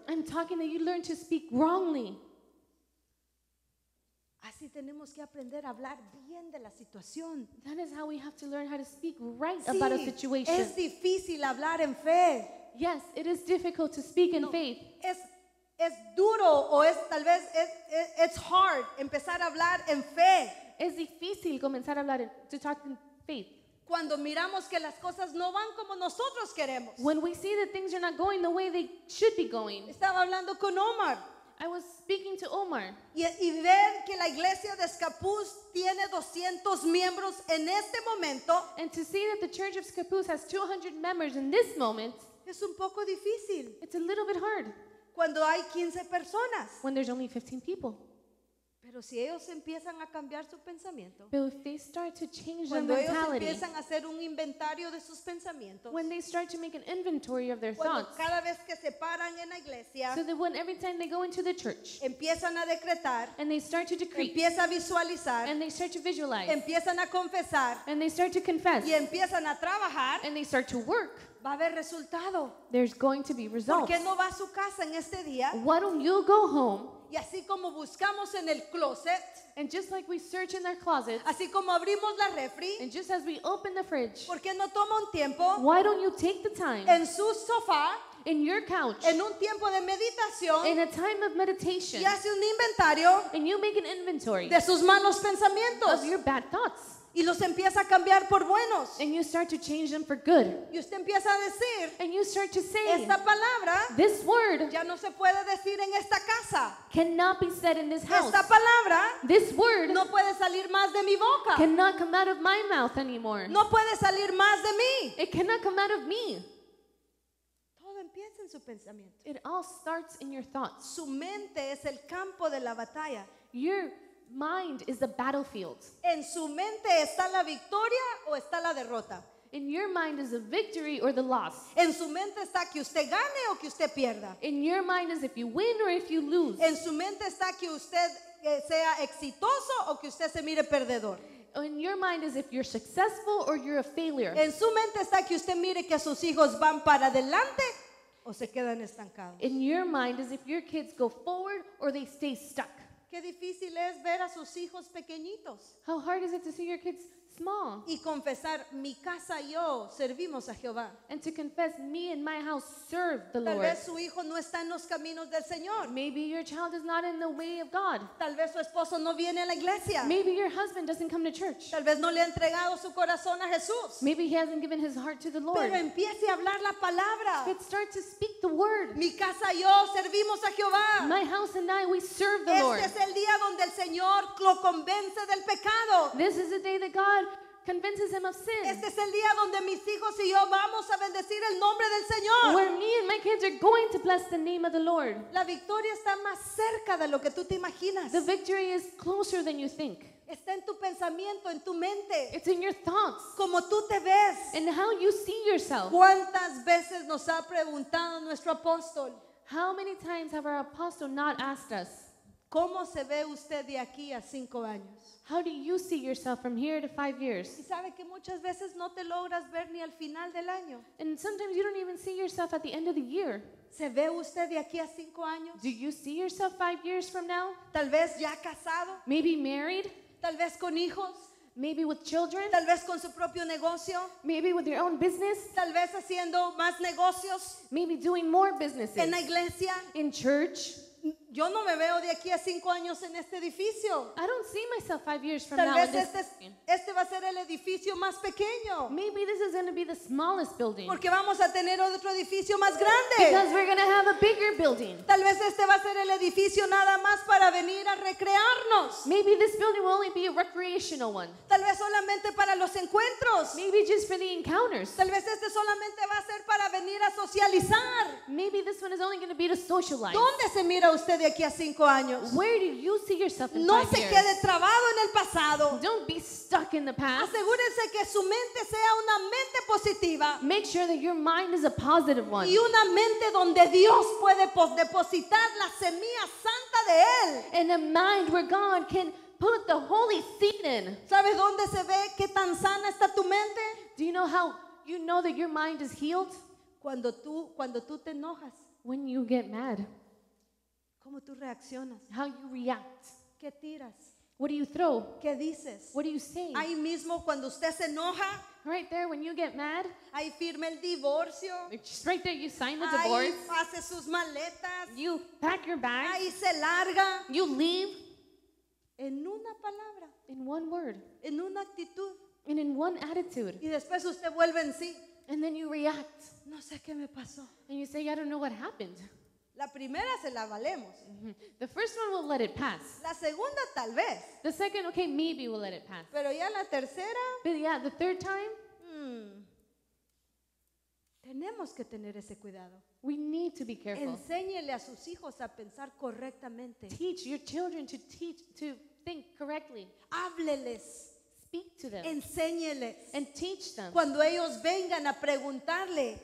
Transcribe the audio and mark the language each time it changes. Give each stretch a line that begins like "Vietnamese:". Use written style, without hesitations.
English: I'm talking that you learned to speak wrongly.
Spanish: Así tenemos que aprender a hablar bien de la situación.
English: That is how we have to learn how to speak right
Spanish: sí,
English: about a situation.
Spanish: Es difícil hablar en fe.
English: Yes, it is difficult to speak in faith.
Spanish: Es duro o es tal vez
English: it's hard
Spanish: empezar a hablar en fe. Es difícil comenzar a hablar
English: to talk in faith.
Spanish: Cuando miramos que las cosas no van como nosotros queremos.
English: When we see that things are not going the way they should be going.
Spanish: Estaba hablando con Omar.
English: I was speaking to Omar.
Spanish: Y ver que la iglesia de Escapús tiene 200 miembros en este momento.
English: And to see that the Church of Escapús has 200 members in this moment.
Spanish: Es un poco difícil.
English: It's a little bit hard.
Spanish: Cuando hay 15 personas.
English: When there's only 15 people.
Spanish: Pero si ellos empiezan a cambiar su pensamiento.
English: But if they start to change their mentality.
Spanish: Cuando ellos empiezan a hacer un inventario de sus pensamientos.
English: When they start to make an inventory of their thoughts.
Spanish: Cada vez que se paran en la iglesia.
English: So that when every time they go into the church.
Spanish: Empiezan a decretar.
English: And they start to decree.
Spanish: Empiezan a visualizar.
English: And they start to visualize.
Spanish: Empiezan a confesar.
English: And they start to confess.
Spanish: Y empiezan a trabajar.
English: And they start to work.
Spanish: Va a haber resultado.
English: There's going to be results.
Spanish: ¿Por qué no va a su casa en este día?
English: Why don't you go home?
Spanish: Y así como buscamos en el closet,
English: and just like we search in our closets,
Spanish: así como abrimos la refri,
English: and just as we open the fridge,
Spanish: ¿por qué no toma un tiempo?
English: Why don't you take the time?
Spanish: En su sofá,
English: in your couch,
Spanish: en un tiempo de meditación,
English: in a time of meditation,
Spanish: y hace un inventario,
English: and you make an inventory
Spanish: de sus malos pensamientos,
English: of your bad thoughts.
Spanish: Y los empieza a cambiar por buenos.
English: And you start to change them for good.
Spanish: Y usted empieza a decir.
English: And you start to say.
Spanish: Esta palabra.
English: This word.
Spanish: Ya no se puede decir en esta casa.
English: Cannot be said in this house.
Spanish: Esta palabra.
English: This word.
Spanish: No puede salir más de mi boca.
English: Cannot come out of my mouth anymore.
Spanish: No puede salir más de mí.
English: It cannot come out of me.
Spanish: Todo empieza en su pensamiento.
English: It all starts in your thoughts.
Spanish: Su mente es el campo de la batalla.
English: Your mind is the battlefield.
Spanish: En su mente está la victoria o está la derrota.
English: In your mind is the victory or the loss.
Spanish: En su mente está que usted gane o que usted pierda.
English: In your mind is if you win or if you lose.
Spanish: En su mente está que usted sea exitoso o que usted se mire perdedor.
English: In your mind is if you're successful or you're a failure.
Spanish: En su mente está que usted mire que sus hijos van para adelante o se quedan estancados.
English: In your mind is if your kids go forward or they stay stuck.
Spanish: Qué difícil es ver a sus hijos pequeñitos.
English: How hard is it to see your kids small.
Spanish: Y confesar, mi casa y yo servimos a Jehová.
English: And to confess, me and my house serve the
Spanish: Tal
English: Lord.
Spanish: Tal vez su hijo no está en los caminos del Señor.
English: Maybe your child is not in the way of God.
Spanish: Tal vez su esposo no viene a la iglesia.
English: Maybe your husband doesn't come to church.
Spanish: Tal vez no le ha entregado su corazón a Jesús.
English: Maybe he hasn't given his heart to the Lord.
Spanish: Pero empiece a hablar la palabra.
English: But start to speak the word.
Spanish: Mi casa y yo servimos a Jehová.
English: My house and I, we serve the
Spanish: este
English: Lord.
Spanish: Este es el día donde el Señor lo convence del pecado.
English: This is the day that God convinces him of sin.
Spanish: Este es el día donde mis hijos y yo vamos a bendecir el nombre del Señor.
English: Where me and my kids are going to bless the name of the Lord.
Spanish: La victoria está más cerca de lo que tú te imaginas.
English: The victory is closer than you think.
Spanish: Está en tu pensamiento, en tu mente.
English: It's in your thoughts.
Spanish: Como tú te ves.
English: And how you see yourself.
Spanish: ¿Cuántas veces nos ha preguntado nuestro apóstol?
English: How many times have our apostle not asked us?
Spanish: ¿Cómo se ve usted de aquí a 5 años?
English: How do you see yourself from here to 5 years?
Spanish: Y sabe que muchas veces no te logras ver ni al final del año.
English: And sometimes you don't even see yourself at the end of the year.
Spanish: ¿Se ve usted de aquí a 5 años?
English: Do you see yourself 5 years from now?
Spanish: Tal vez ya casado.
English: Maybe married.
Spanish: Tal vez con hijos.
English: Maybe with children.
Spanish: Tal vez con su propio negocio.
English: Maybe with your own business.
Spanish: Tal vez haciendo más negocios.
English: Maybe doing more businesses.
Spanish: En la iglesia.
English: In church.
Spanish: Yo no me veo de aquí a 5 años en este edificio.
English: I don't see myself 5 years from
Spanish: Tal
English: now.
Spanish: Tal vez este va a ser el edificio más pequeño.
English: Maybe this is going to be the smallest building.
Spanish: Porque vamos a tener otro edificio más grande.
English: Because we're going to have a bigger building.
Spanish: Tal vez este va a ser el edificio nada más para venir a recrearnos.
English: Maybe this building will only be a recreational one.
Spanish: Tal vez solamente para los encuentros.
English: Maybe just for the encounters.
Spanish: Tal vez este solamente va a ser para venir a socializar.
English: Maybe this one is only going to be to socialize.
Spanish: ¿Dónde se mira usted de aquí a 5 años?
English: Where do you see yourself in 5 years?
Spanish: No se quede trabado en el pasado.
English: Don't be stuck in the past.
Spanish: Asegúrese que su mente sea una mente positiva.
English: Make sure that your mind is a positive one.
Spanish: Y una mente donde Dios puede depositar la semilla santa de él.
English: And a mind where God can put the holy seed in.
Spanish: ¿Sabes dónde se ve qué tan sana está tu mente?
English: Do you know how you know that your mind is healed?
Spanish: Cuando tú te enojas.
English: When you get mad.
Spanish: ¿Cómo tú reaccionas?
English: How you react?
Spanish: ¿Qué tiras?
English: What do you throw?
Spanish: ¿Qué dices?
English: What do you say?
Spanish: Ahí mismo cuando usted se enoja,
English: right there when you get mad,
Spanish: ahí firma el divorcio.
English: Just right there you sign the divorce.
Spanish: Ahí hace sus maletas.
English: You pack your bag.
Spanish: Ahí se larga.
English: You leave.
Spanish: En una palabra.
English: In one word.
Spanish: En una actitud.
English: And in one attitude.
Spanish: Y después usted vuelve en sí.
English: And then you react.
Spanish: No sé qué me pasó.
English: And you say, I don't know what happened.
Spanish: La primera se la valemos.
English: The first one we'll let it pass.
Spanish: La segunda tal vez.
English: The second, okay, maybe we'll let it pass.
Spanish: Pero ya la tercera.
English: But yeah, the third time.
Spanish: Tenemos que tener ese cuidado.
English: We need to be careful.
Spanish: Enséñele a sus hijos a pensar correctamente.
English: Teach your children to teach to think correctly.
Spanish: Hábleles.
English: Speak to them.
Spanish: Enséñeles.
English: And teach them.
Spanish: Cuando ellos vengan a preguntarle.